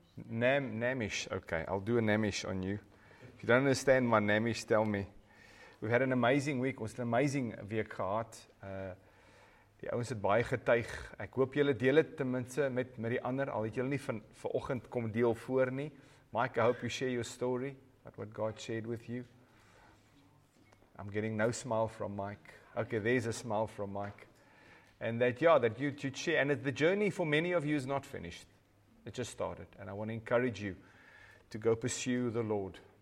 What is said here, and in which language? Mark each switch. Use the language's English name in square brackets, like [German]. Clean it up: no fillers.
[English] Namish, okay, I'll do a Namish on you. If you don't understand my Namish, tell me. We've had an amazing week. [Afrikaans] Ons het 'n amazing week gehad. Die ouens het baie getuig. Ek hoop julle deel dit ten minste met die ander. Al het julle nie vanoggend kom deel voor nie. [English] Mike, I hope you share your story about what God shared with you. I'm getting no smile from Mike. Okay, there's a smile from Mike. And that, yeah, that you should share. And the journey for many of you is not finished. It just started. And I want to encourage you to go pursue the Lord.